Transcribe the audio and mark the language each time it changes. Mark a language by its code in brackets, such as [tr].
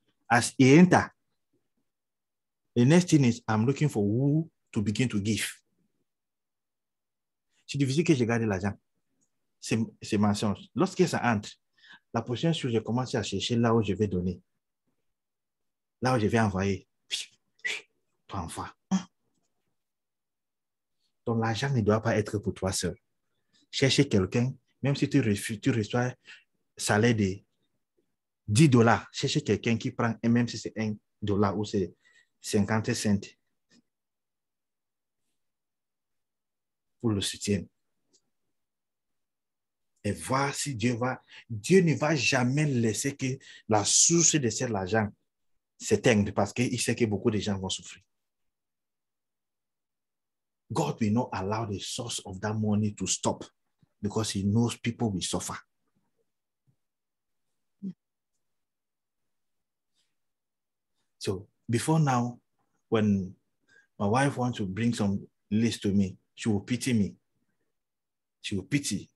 [en] As he enter, the next thing is I'm looking for who to begin to give. [fr] C'est difficile que j'ai gardé l'argent. C'est mensonge. Lorsque ça entre, la prochaine chose, je commence à chercher là où je vais donner. Là où je vais envoyer. Tu envoies. Donc l'argent ne doit pas être pour toi seul. Chercher quelqu'un, même si tu reçois salaire de 10 dollars, chercher quelqu'un qui prend, et même si c'est 1 dollar ou c'est 50 cents, pour le soutien. Et voir si Dieu ne va jamais laisser que la source de cet argent s'éteigne parce qu'il sait que beaucoup de gens vont souffrir. [en] God will not allow the source of that money to stop because he knows people will suffer. So before now, when my wife wants to bring some list to me, she will pity me. She will pity.